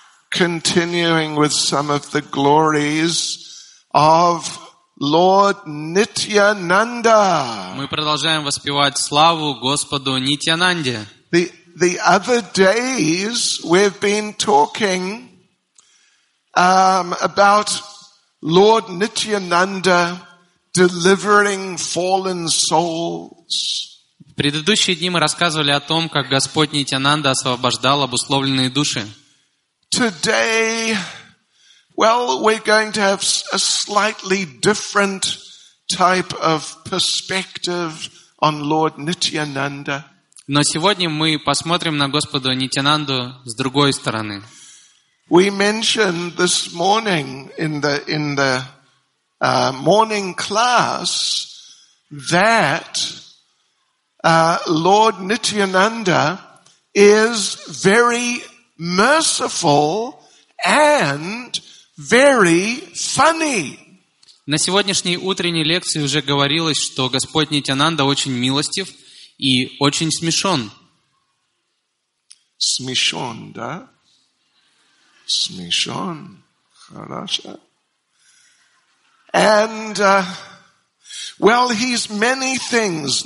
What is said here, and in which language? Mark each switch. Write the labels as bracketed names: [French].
[English] Continuing with some of the glories of Lord Nityananda. [Russian] Мы продолжаем воспевать славу Господу Нитьянанде. [English] The other days we've been talking about Lord Nityananda delivering fallen souls. [Russian] В предыдущие дни мы рассказывали о том, как Господь Нитьянанда освобождал обусловленные души. [English] Today, well, we're going to have a slightly different type of perspective on Lord Nityananda. [Russian] Но сегодня мы посмотрим на Господа Нитьянанду с другой стороны. [English] We mentioned this morning in the morning class that Lord Nityananda is very merciful and very funny. [Russian] На сегодняшней утренней лекции уже говорилось, что Господь Нитьянанда очень милостив и очень смешон. Смешон, да? Смешон. Хорошо. [English] And, well, he's many things.